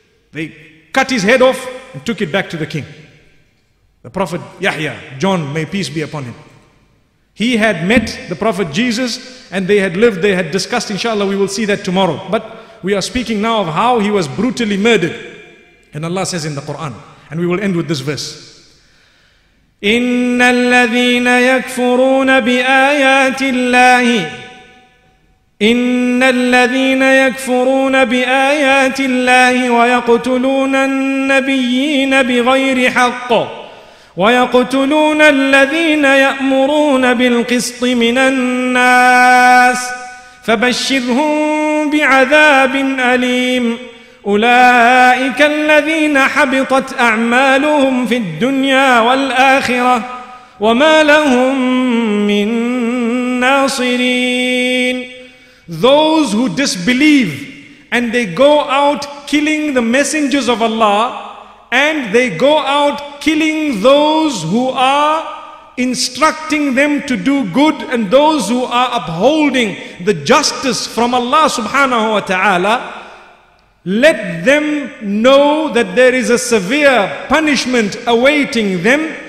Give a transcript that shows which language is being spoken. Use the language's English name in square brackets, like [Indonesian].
[English] They cut his head off and took it back to the king. The Prophet Yahya, John, may peace be upon him. He had met the Prophet Jesus and they had lived, they had discussed, inshallah, we will see that tomorrow. But we are speaking now of how he was brutally murdered. And Allah says in the Quran, and we will end with this verse. [Arabic] إِنَّ الَّذِينَ يَكْفُرُونَ بِآيَاتِ اللَّهِ إِنَّ الَّذِينَ يَكْفُرُونَ بِآيَاتِ اللَّهِ وَيَقْتُلُونَ النَّبِيِّينَ بِغَيْرِ حَقٍّ وَيَقْتُلُونَ الَّذِينَ يَأْمُرُونَ بِالْقِسْطِ مِنَ النَّاسِ فَبَشِّرْهُم بِعَذَابٍ أَلِيمٍ أولئك الذين حبطت أعمالهم في الدنيا والآخرة وما لهم من ناصرين. [English] Those who disbelieve and they go out killing the messengers of Allah and they go out killing those who are instructing them to do good and those who are upholding the justice from Allah subhanahu wa ta'ala, let them know that there is a severe punishment awaiting them.